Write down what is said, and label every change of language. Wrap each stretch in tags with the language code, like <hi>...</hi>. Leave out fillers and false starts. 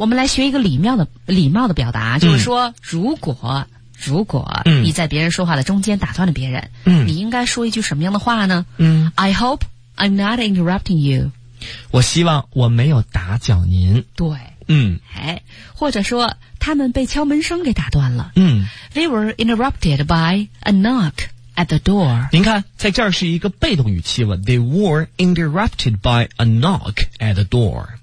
<zh>我们来学一个礼貌的表达，就是说，如果你在别人说话的中间打断了别人，你应该说一句什么样的话呢？</zh> <en>I hope I'm not interrupting you。</en> <zh>我希望我没有打搅您。对。哎，或者说他们被敲门声给打断了。</zh> <en>They were interrupted by a knock at the door。</en> <zh>您看，在这儿是一个被动语气了。</zh> <en>They were interrupted by a knock at the door。</en>